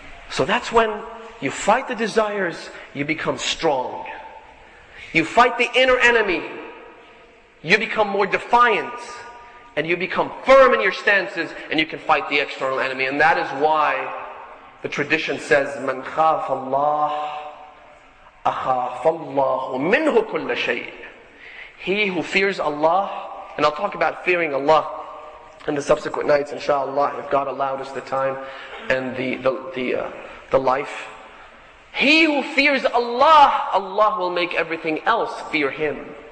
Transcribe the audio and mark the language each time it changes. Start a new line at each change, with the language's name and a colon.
English: So that's when you fight the desires, you become strong. You fight the inner enemy, you become more defiant and you become firm in your stances and you can fight the external enemy. And that is why The tradition says,
Arabic: من خاف الله أخاف الله منه كل شيء.
English: He who fears Allah, and I'll talk about fearing Allah in the subsequent nights, inshallah, if God allowed us the time and the life. He who fears Allah, Allah will make everything else fear him.